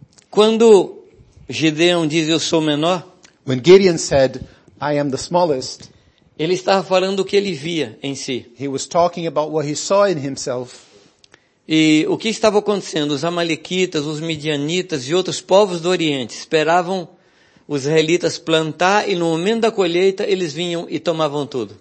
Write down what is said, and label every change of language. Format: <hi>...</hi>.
<pt>Quando Gideão diz, eu sou menor.</pt> <en>When Gideon said, I am the smallest.</en> <pt>Ele estava falando o que ele via em si.</pt> <en>He was talking about what he saw in himself.</en> <pt>E o que estava acontecendo? Os amalequitas, os midianitas e outros povos do Oriente esperavam os israelitas plantar e no momento da colheita eles vinham e tomavam tudo.</pt>